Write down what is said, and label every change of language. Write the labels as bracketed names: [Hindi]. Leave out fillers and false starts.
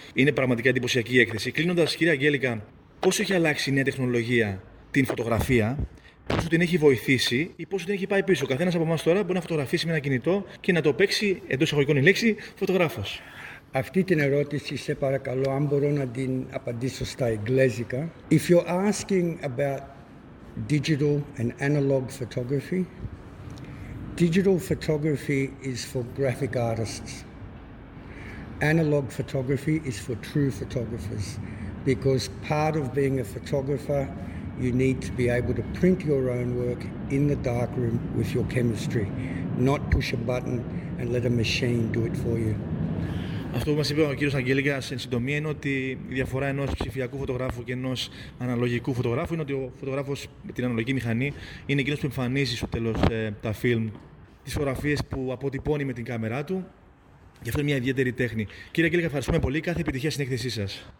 [Greek] Είναι πραγματικά εντυπωσιακή η έκθεση. Κλείνοντας, κύριε Αγγέλικα, πώς έχει αλλάξει η νέα τεχνολογία την φωτογραφία, πόσο την έχει βοηθήσει ή πόσο την έχει πάει πίσω? Καθένας από εμάς τώρα μπορεί να φωτογραφίσει με ένα κινητό και να το παίξει, εντός εισαγωγικών η λέξη, φωτογράφος. Αυτή την ερώτηση, σε παρακαλώ, αν μπορώ να την απαντήσω στα αγγλέζικα. [English] If you're asking about digital and analog photography, digital photography is for graphic artists. Analog photography is for true photographers. Because part of being a photographer, you need to be able to print your own work in the dark room with your chemistry. Not push a button and let a machine do it for you. [Greek] Αυτό που μας είπε ο κύριος Αγγέλικας εν συντομία είναι ότι η διαφορά ενός ψηφιακού φωτογράφου και ενός αναλογικού φωτογράφου είναι ότι ο φωτογράφος με την αναλογική μηχανή είναι εκείνος που εμφανίζει στο τέλος τα φιλμ, τις φωτογραφίες που αποτυπώνει με την κάμερά του. Γι' αυτό είναι μια ιδιαίτερη τέχνη. Κύριε Αγγέλικα, ευχαριστούμε πολύ. Κάθε επιτυχία στην έκθεσή σας.